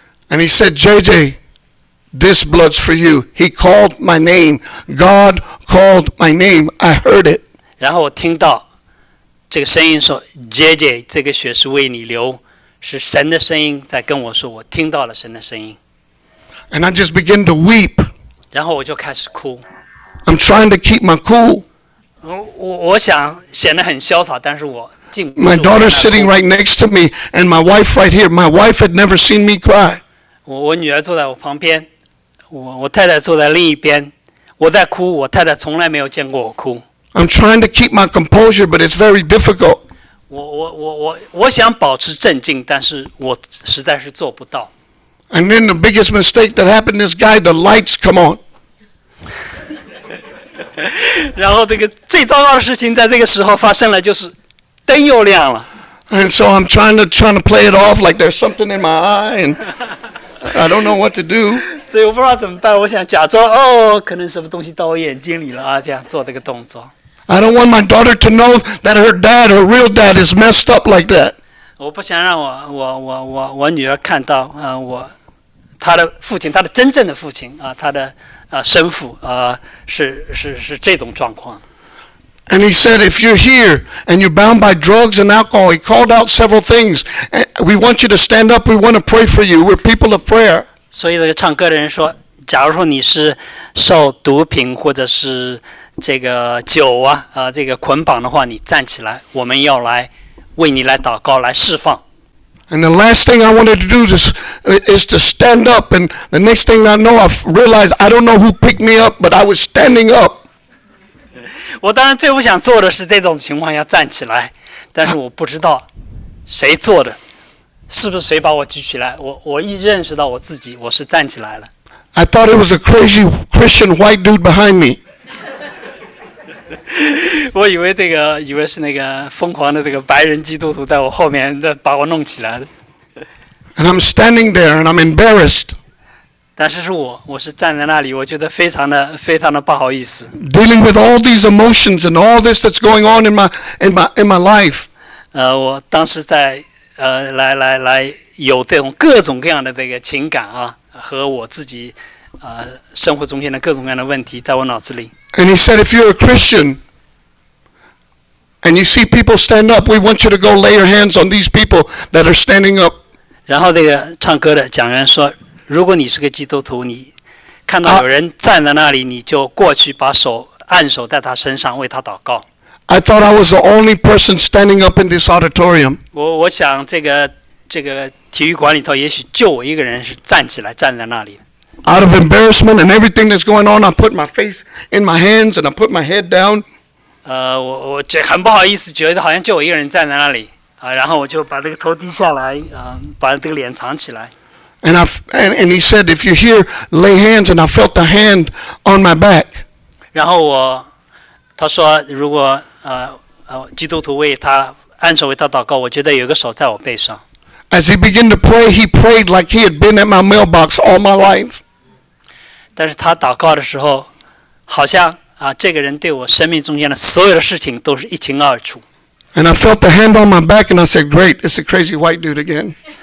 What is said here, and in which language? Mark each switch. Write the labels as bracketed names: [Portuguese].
[English] And he said, "JJ, this blood's for you." He called my name. God called my name. I heard it. [Chinese] 然后我听到这个声音说 ，JJ， 这个血是为你流，是神的声音在跟我说，我听到了神的声音。 [English] And I just began to weep. [Chinese] 然后我就开始哭。 [English] I'm trying to keep my cool. [Chinese] 我想显得很潇洒，但是我禁不住。 [English] My daughter's sitting right next to me, and my wife right here. My wife had never seen me cry. [Chinese] 我女儿坐在我旁边，我太太坐在另一边。我在哭，我太太从来没有见过我哭。 [English] I'm trying to keep my composure, but it's very difficult. [Chinese] 我想保持镇静，但是我实在是做不到。 [English] And then the biggest mistake that happened, this guy, the lights come on. [Chinese] 然后这个最糟糕的事情在这个时候发生了，就是灯又亮了。 [English] And so I'm trying to play it off like there's something in my eye, and I don't know what to do. [Chinese] 所以我不知道怎么办，我想假装哦，可能什么东西到我眼睛里了啊，这样做这个动作。 [English] I don't want my daughter to know that her dad, her real dad, is messed up like that. [Chinese] 我不想让我女儿看到我她的父亲，她的真正的父亲啊，她的生父啊，是这种状况。 [English] And he said, if you're here and you're bound by drugs and alcohol, he called out several things. We want you to stand up. We want to pray for you. We're people of prayer. [Chinese] 所以这个唱歌的人说，假如说你是受毒品或者是这个酒啊这个捆绑的话，你站起来，我们要来为你来祷告，来释放。 [English] And the last thing I wanted to do is to stand up. And the next thing I know, I realized I don't know who picked me up, but I was standing up. [Chinese] 我当然最不想做的是这种情况要站起来，但是我不知道谁做的，是不是谁把我举起来？我一认识到我自己，我是站起来了。 [English] I thought it was a crazy Christian white dude behind me. [Chinese] 我以为这个，以为是那个疯狂的这个白人基督徒在我后面的把我弄起来的。 [English] And I'm standing there, and I'm embarrassed. [Chinese] 但是我是站在那里，我觉得非常的不好意思。 [English] Dealing with all these emotions and all this that's going on in my life. [Chinese] 我当时在来有这种各种各样的这个情感啊，和我自己生活中间的各种各样的问题在我脑子里。 [English] And he said, if you're a Christian and you see people stand up, we want you to go lay your hands on these people that are standing up. [Chinese] 然后这个唱歌的讲员说，如果你是个基督徒，你看到有人站在那里，你就过去把手按手在他身上，为他祷告。 [English] I thought I was the only person standing up in this auditorium. [Chinese] 我想这个体育馆里头，也许就我一个人是站起来站在那里。 [English] Out of embarrassment and everything that's going on, I put my face in my hands and I put my head down. [Chinese] 我这很不好意思，觉得好像就我一个人站在那里然后我就把这个头低下来把这个脸藏起来。 [English] And he said, if you're here, lay hands, and I felt the hand on my back. [Chinese] 然后他说，如果基督徒为他按手为他祷告，我觉得有个手在我背上。 [English] As he began to pray, he prayed like he had been at my mailbox all my life. [Chinese] 但是他祷告的时候，好像这个人对我生命中间的所有的事情都是一清二楚。 [English] And I felt the hand on my back, and I said, "Great, it's a crazy white dude again."